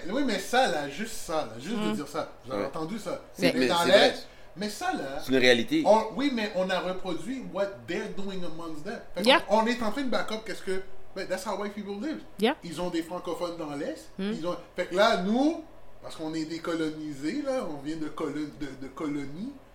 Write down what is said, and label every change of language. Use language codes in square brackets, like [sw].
[fr] Oui, mais ça là, juste de dire ça, vous avez entendu ça. C'est dans l'est, mais ça là. C'est une réalité. On a reproduit [en] what they're doing amongst them. [fr] On est en train de [en] back up [fr] qu'est-ce que. Mais [en] that's how white people live. Yeah. [fr] Ils ont des francophones dans l'est. Mm. Ils ont. Fait que là, nous. Parce qu'on est décolonisé, là, on vient de colonie.